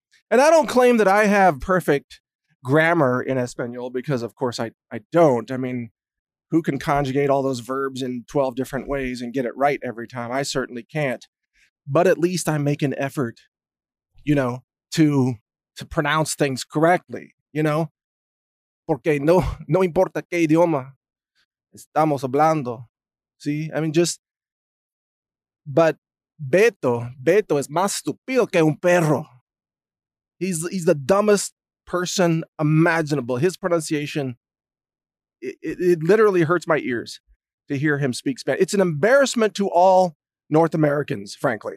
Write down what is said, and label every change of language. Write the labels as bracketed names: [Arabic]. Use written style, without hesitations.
[English] And I don't claim that I have perfect grammar in Espanol, because of course I don't. I mean, who can conjugate all those verbs in 12 different ways and get it right every time? I certainly can't. But at least I make an effort, you know, to pronounce things correctly, you know? [Spanish] Porque no importa qué idioma estamos hablando. [English] See? I mean, just, but Beto is [Spanish] más estúpido que un perro. [English] He's the dumbest person imaginable. His pronunciation, it literally hurts my ears to hear him speak Spanish. It's an embarrassment to all North Americans, frankly.